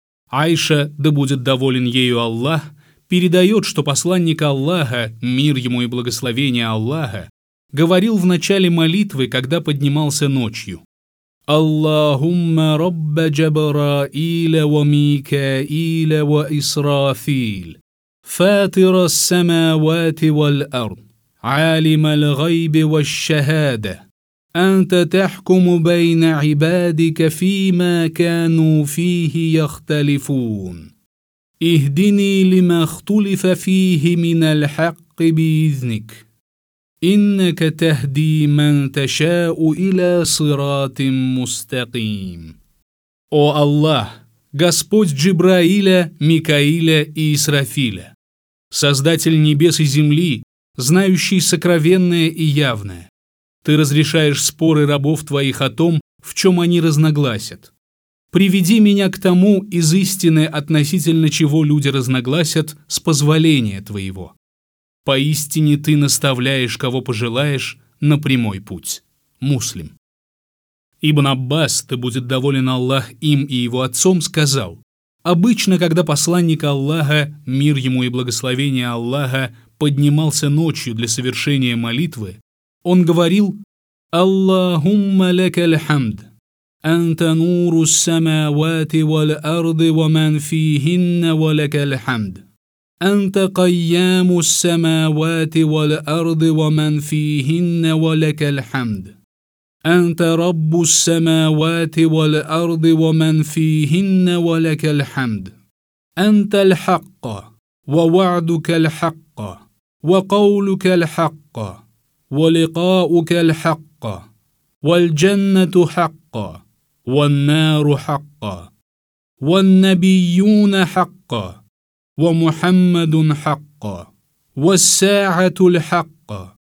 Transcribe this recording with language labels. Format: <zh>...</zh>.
<ru>Айша, да будет доволен ею Аллах, передает, что посланник Аллаха, мир ему и благословение Аллаха, говорил в начале молитвы, когда поднимался ночью:</ru> <ar>«Аллахумма Рабба Джабраиля ва Микаиля ва Исрафиль, Фатира ас-самавати валь-ард, Алима аль-гайби ваш-шахада. أنت تحكم بين عبادك فيما كانوا فيه يختلفون. اهدني لما اختلف فيه من الحق بإذنك. إنك تهدي من تشاء إلى صراط مستقيم».</ar> <ru>О Аллах, Господь Джибраиля, Микаиля и Исрафиля, Создатель небес и земли, знающий сокровенное и явное, Ты разрешаешь споры рабов Твоих о том, в чем они разногласят. Приведи меня к тому из истины, относительно чего люди разногласят, с позволения Твоего. Поистине ты наставляешь, кого пожелаешь, на прямой путь. Муслим. Ибн Аббас, да будет доволен Аллах им и его отцом, сказал: «Обычно, когда посланник Аллаха, мир ему и благословение Аллаха, поднимался ночью для совершения молитвы, он говорил:</ru> <ar>«Аллахумма лекаль хамд, анта нуру ссамавати вал арди ва ман фихинна ва лекаль хамд». أنت قيام السماوات والأرض ومن فيهن ولك الحمد أنت رب السماوات والأرض ومن فيهن ولك الحمد أنت الحق ووعدك الحق وقولك الحق ولقاؤك الحق والجنة حق والنار حق والنبيون حق وَمُحَمَّدٌ حَقَّ وَالسَّاعَةُ الْحَقَّ</ar>